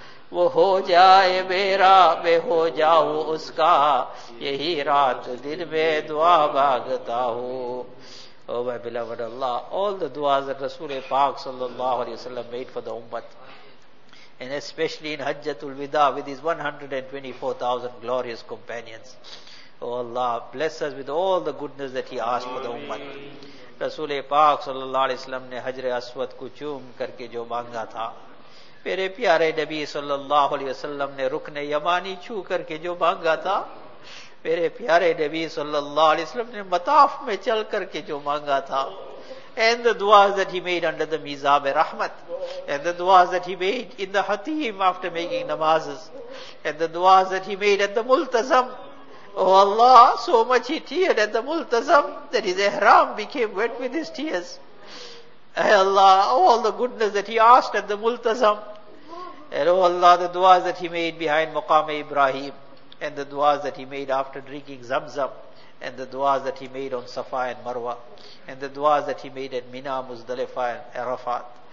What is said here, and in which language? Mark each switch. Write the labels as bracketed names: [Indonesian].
[Urdu] وہ ہو جائے میرا میں ہو جاؤں اس کا یہی رات دن میں دعا مانگتا ہوں [English] Oh my beloved Allah, all the duas that Rasul Pakh sallallahu alayhi wa sallam made for the Ummat, and especially in Hajjatul Wida with his 124,000 glorious companions. Oh Allah, bless us with all the goodness that he asked for the Ummat. [Urdu] Rasul Pakh sallallahu alayhi wa sallam نے حجر اسود کو چوم کر کے جو مانگا تھا, میرے پیارے نبی صلی اللہ علیہ وسلم نے رکن یمانی چھو کر کے جو مانگا تھا, میرے پیارے نبی صلی اللہ علیہ وسلم نے مطاف میں چل کر کے جو مانگا تھا, [English] and the duas that he made under the mizab e rahmat, and the duas that he made in the hatim after making namazes, and the duas that he made at the multazam. Oh Allah, so much he teared at the multazam that his ihram became wet with his tears. Ay Allah, all the goodness that he asked at the Multazam. And oh Allah, the duas that he made behind Maqam-e Ibrahim, and the duas that he made after drinking Zamzam, and the duas that he made on Safa and Marwa, and the duas that he made at Mina, Muzdalifa and Arafat.